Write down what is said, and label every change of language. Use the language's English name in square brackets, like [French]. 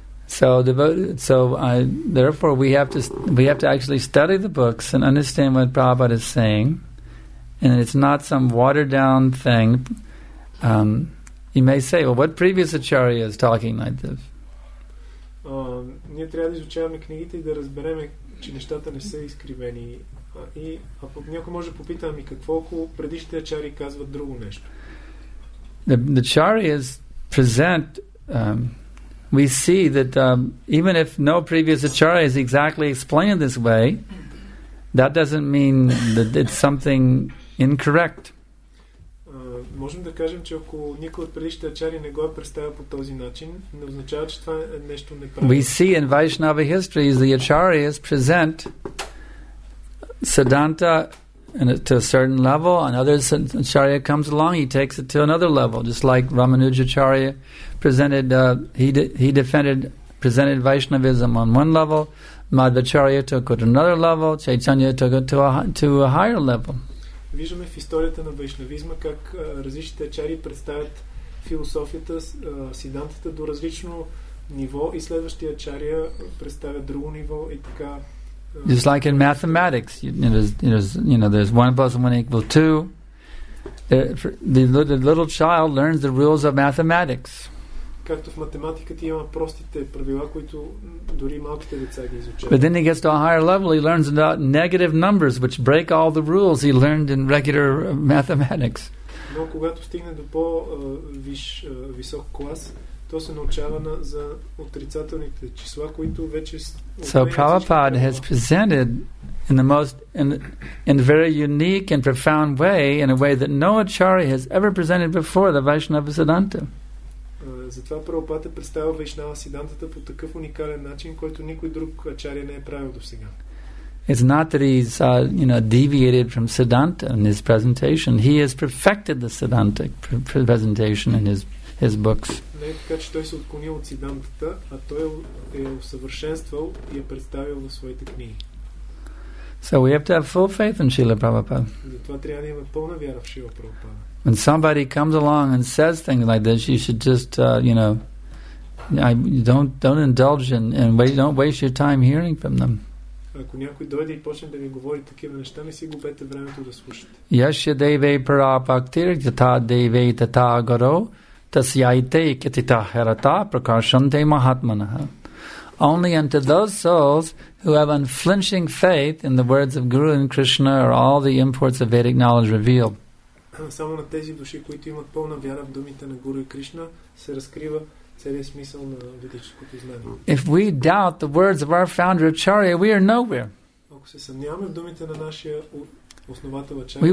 [English] So therefore we have to actually study the books and understand what Prabhupada is saying, and it's not some watered down thing. You may say, well, what previous acharya is talking like this? [Bulgarian] Ние трябва да изучаваме книгите и да разбереме, че нещата не са изкривени. И ако някой може попита, ми какво ако предишните ачари казват друго нещо? [English] The acharyas present. We see that even if no previous acharya is exactly explained this way, that doesn't mean that it's something incorrect. [Bulgarian] Можем да кажем, че ако никой от предишните ачари не го е представил по този начин, не означава, че това е нещо неправилно. [English] We see in Vaishnava history the acharyas present siddhanta to a certain level, and other acharya comes along, he takes it to another level, just like Ramanujacharya presented Vaishnavism on one level, Madhvacharya took it to another level, Chaitanya took it to a higher level. [Bulgarian] Виждаме в историята на вайшнавизма как различните ачари представят философията, сиддантата до различно ниво и следващия ачария представя друго ниво и така. [English] Just like in mathematics, there's 1 + 1 = 2. The little child learns the rules of mathematics. [Bulgarian] Както в математиката има простите правила, които дори малките деца ги изучават. [English] But then he gets to a higher level, he learns about negative numbers, which break all the rules he learned in regular mathematics. [Bulgarian] Но когато стигне до висок клас, то се научава за отрицателните числа, които вече. [English] So Prabhupada has presented in a very unique and profound way, in a way that no acharya has ever presented before, the Vaishnava Siddhanta. [Bulgarian] Затова Прабхупад е представил Вайшнава Сиддантата по такъв уникален начин, който никой друг ачария не е правил до сега. [English] It's not that he's deviated from Siddhanta in his presentation. He has perfected the Siddhanta presentation in his books. [Bulgarian] Не така, че той се отклонил от Сиддантата, а той е усъвършенствал и е представил в своите книги. [English] So we have to have full faith in Srila Prabhupada. [Bulgarian] Затова трябва да има пълна вяра в Шрила Прабхупада. [English] When somebody comes along and says things like this, you should just, don't indulge don't waste your time hearing from them. [Bulgarian] Ако някой дойде и почне да ви говори такива неща, не си губете времето да слушате. [Sanskrit] Яше деве парапактир, тата деве тата гаро, тасяйте кетита херата, прокашанте махатманаха. [English] Only unto those souls who have unflinching faith in the words of Guru and Krishna are all the imports of Vedic knowledge revealed. [Bulgarian] Само на тези души, които имат пълна вяра в думите на Гуру и Кришна, се разкрива целият смисъл на ведическото знание. [English] If we doubt the words of our founder Acharya, we are nowhere. [Bulgarian] Ако се съмняваме в думите на нашия основател Ачария,